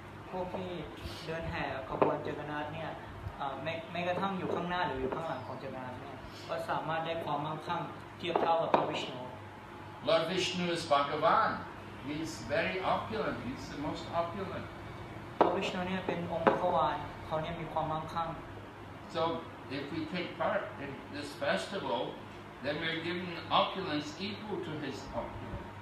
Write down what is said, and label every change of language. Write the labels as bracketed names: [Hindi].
[Thai] พวกที่เดินแห่ขบวนจักรนาถเนี่ยไม่กระทั่งอยู่ข้างหน้าหรืออยู่ข้างหลังของจักรนาถเนี่ยก็สามารถได้ความมั่งคั่งเทียบเท่ากับพระวิษณุ [English] Lord Vishnu is Bhagavan he's very opulent he's the most opulent [Thai] พระวิษณุเนี่ยเป็นองค์พระวานเขาเนี่ยมีความมั่งคั่ง [English] soIf we take part in this festival, then we are given opulence equal to his opulence.